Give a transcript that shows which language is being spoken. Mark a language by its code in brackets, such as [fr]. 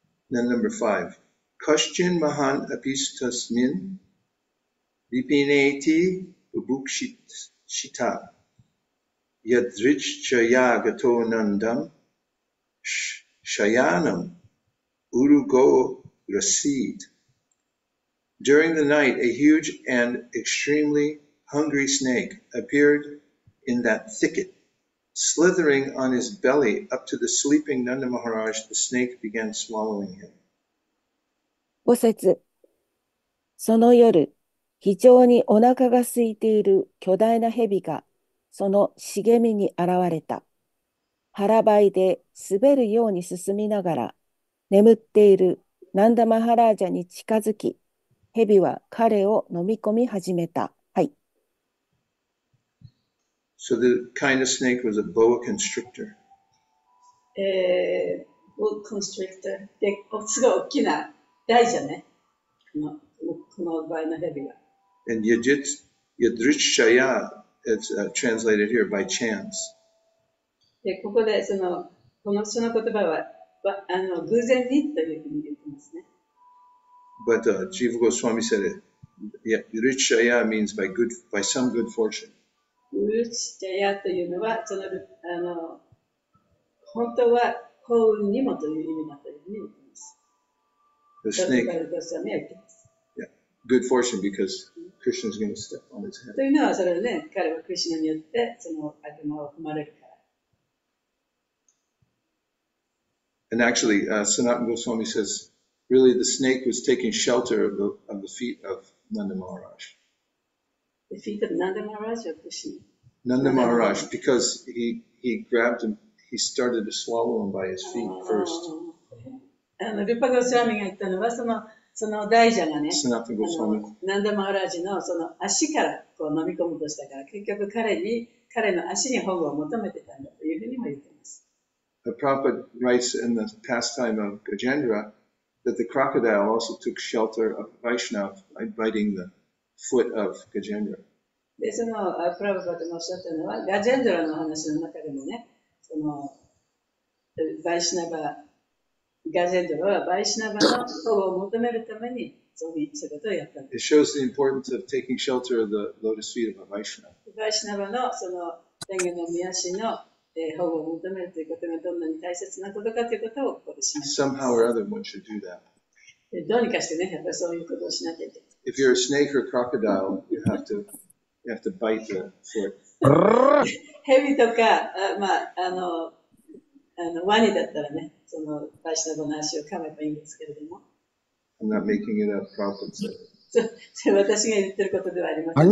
[en] Then number five. [sa] Kaschin mahan apistasmin vipineti bubukshita yadrichaya gato nandam shayanam urugo rasid. [en] During the night, a huge and extremely hungry snake appeared in that thicket. Slithering on his belly up to the sleeping Nanda Maharaj, the snake began swallowing him. [ja] 五節。その夜、非常にお腹が空いている巨大な蛇がその茂みに現れた。腹ばいで滑るように進みながら、眠っているナンダマハラージャに近づき、蛇は彼を飲み込み始めた。はい。 [en] So the kind of snake was a boa constrictor. Boa constrictor. [ja] で、すごい大きな大蛇ね。この場合の蛇は。 [en] And yadrichaya, it's translated here by chance. [ja] で、ここでその言葉は、偶然にというふうに言ってますね。 [en] But Jiva Goswami said it. Yeah, Richaya means by some good fortune. [ja] Richaya というのは、その、本当は幸運にもという意味だというふうに言います。 [en] The snake. Yeah, good fortune because Krishna is going to step on his head. [ja] というのは、それね、彼はクリシナによってその頭を踏まれるから。 [en] And actually, Sanatan Goswami says,Really, the snake was taking shelter of the feet of Nanda Maharaj. The feet of Nanda Maharaj or Krishna? Nanda Maharaj, because he grabbed him, he started to swallow him by his feet first. [ja] Rupa Goswami が言ったのは、その大蛇がね、 [en] Sanatan Goswami. [ja] Nanda Maharaj のその足からこう飲み込むとしたから、結局彼の足に保護を求めてたんだというふうにも言ってます。 [en] The Prabhupada writes in the pastime of Gajendra,That the crocodile also took shelter of Vaishnav by biting the foot of Gajendra. [ja] で、その、プラヴァパダのおっしゃったのは、ガジェンドラの話の中でもね、その、ヴァイシナバ、ガジェンドラはヴァイシナバの保護を求めるために、そういうことをやったんです。 [en] It shows the importance of taking shelter of the lotus feet of a Vaishnav. [ja] ヴァイシナバのその、天狗の御足の、保護を求めるということがどんなに大切なことかということをここで示します。 [en] Somehow or other, one should do that. [ja] どうにかしてね、やっぱりそういうことをしなきゃいけない。 [en] If you're a snake or a crocodile, you have to bite the foot. [ja] ヘビとか、まあ、あのワニだったらね、そのバイシナバの足を噛めばいいんですけれども。 [en] I'm not making it up, prophet said. [ja] それ私が言ってることではありません。